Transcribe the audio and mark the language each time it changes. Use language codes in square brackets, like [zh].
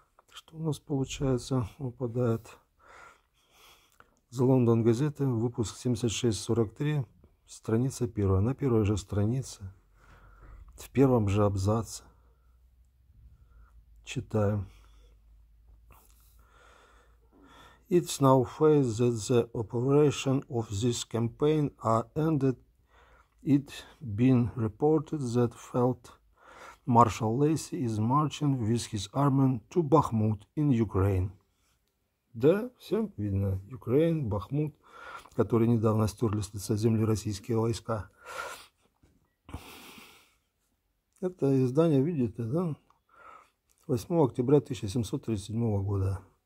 [ru] Что у нас получается? Выпадает The London Gazette, выпуск 76-43, страница первая. На первой же странице, в первом же абзаце, читаем. [en] It's now felt that the operation of this campaign are ended. It been reported that Field Marshal Lacy is marching with his army to Bakhmut in Ukraine. [ru] Да, всем видно. Украин, Бахмут, который недавно стерли с лица земли российские войска. Это издание, видите, да? 8 октября 1737 года.